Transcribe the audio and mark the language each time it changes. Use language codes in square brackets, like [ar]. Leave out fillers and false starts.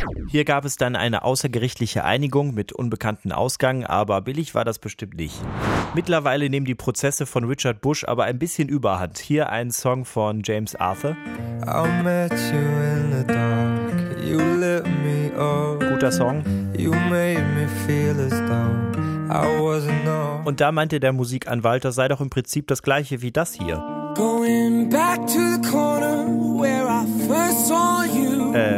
[de] Hier gab es dann eine außergerichtliche Einigung mit unbekannten Ausgang, aber billig war das bestimmt nicht. Mittlerweile nehmen die Prozesse von Richard Busch aber ein bisschen Überhand. Hier ein Song von James Arthur. [en] I met you in the dark, you lit me up. [de] Guter Song. [en] You made me feel as though I wasn't known. [de] Und da meinte der Musikanwalt, das sei doch im Prinzip das gleiche wie das hier. [en] Going back to the corner where I first saw you.